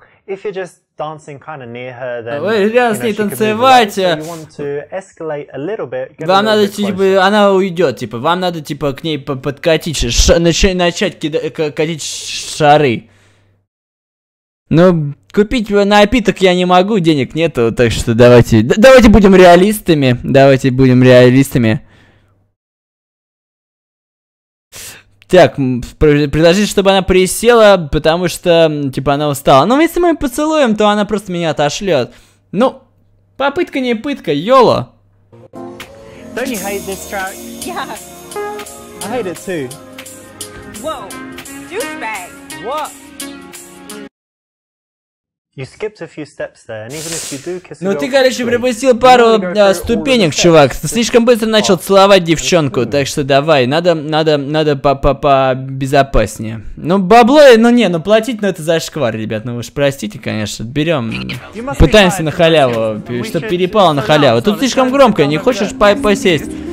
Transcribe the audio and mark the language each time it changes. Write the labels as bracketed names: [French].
[English] If you're just dancing kind of near her, then. [Russian] Вы рядом с ней танцевать. Вам надо типа, она уйдет, типа, вам надо типа к ней подкатить, начать катить шары. Ну, купить напиток я не могу, денег нету, так что давайте будем реалистами. Так, предложить, чтобы она присела, потому что, типа, она устала. Ну, если мы поцелуем, то она просто меня отошлет. Ну, попытка не пытка, йоло. [English] Don't you hate this track? Yeah. I hate it too. Whoa, douchebag. What? You skipped a few steps there, and even if you do kiss. [Russian] Ну ты, короче, пропустил пару ступенек, чувак. Ты слишком быстро начал целовать девчонку, так что давай, надо побезопаснее. Ну бабло, платить, это зашквар, ребят. Ну вы ж простите, конечно, берем. Пытаемся на халяву, чтоб перепало на халяву. Тут слишком громко, не хочешь посесть?